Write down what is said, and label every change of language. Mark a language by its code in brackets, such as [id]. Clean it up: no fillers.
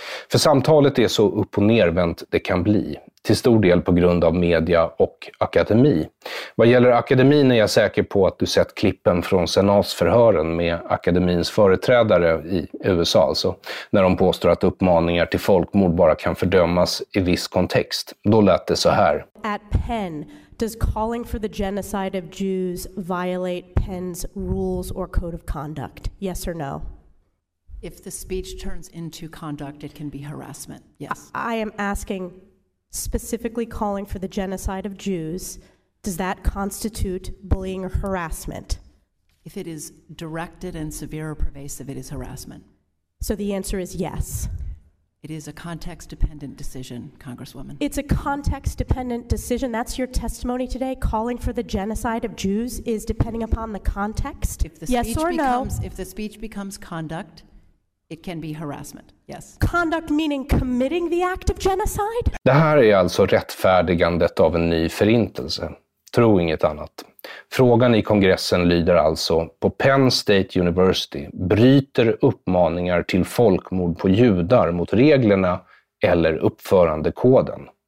[sv] För samtalet är så upp- och nervänt det kan bli, till stor del på grund av media och akademi. Vad gäller akademin är jag säker på att du sett klippen från senatsförhören med akademins företrädare i USA, alltså, när de påstår att uppmaningar till folkmord bara kan fördömas i viss kontext. Då lät det så här. [en] At Penn, does calling for the genocide of Jews violate Penn's rules or code of conduct? Yes or no? If the speech turns into conduct, it can be harassment. Yes. I am asking, specifically calling for the genocide of Jews, does that constitute bullying or harassment? If it is directed and severe or pervasive, it is harassment. So the answer is yes. It is a context-dependent decision, Congresswoman. It's a context-dependent decision. That's your testimony today. Calling for the genocide of Jews is depending upon the context. If the speech becomes conduct, it can be harassment. Yes. Conduct meaning committing the act of genocide? [sv] Det här är alltså rättfärdigandet av en ny förintelse. Tro inget annat. Frågan i kongressen lyder alltså: på Penn State University, bryter uppmaningar till folkmord på judar mot reglerna eller uppförandekoden?